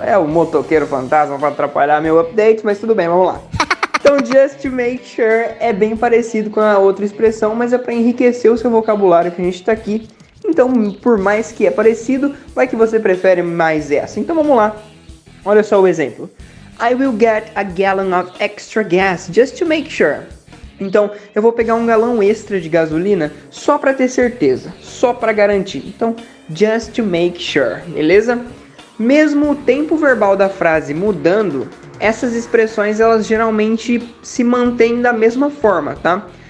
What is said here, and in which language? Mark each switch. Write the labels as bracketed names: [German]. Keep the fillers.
[Portuguese] É o motoqueiro fantasma para atrapalhar meu update, mas tudo bem, vamos lá. Então, [English] just to make sure [Portuguese] é bem parecido com a outra expressão, mas é para enriquecer o seu vocabulário que a gente está aqui. Então, por mais que é parecido, vai que você prefere mais essa. Então, vamos lá. Olha só o exemplo. [English] I will get a gallon of extra gas just to make sure. [Portuguese] Então, eu vou pegar um galão extra de gasolina só para ter certeza, só para garantir. Então, [English] just to make sure, [Portuguese] beleza? Mesmo o tempo verbal da frase mudando, essas expressões elas geralmente se mantêm da mesma forma, tá?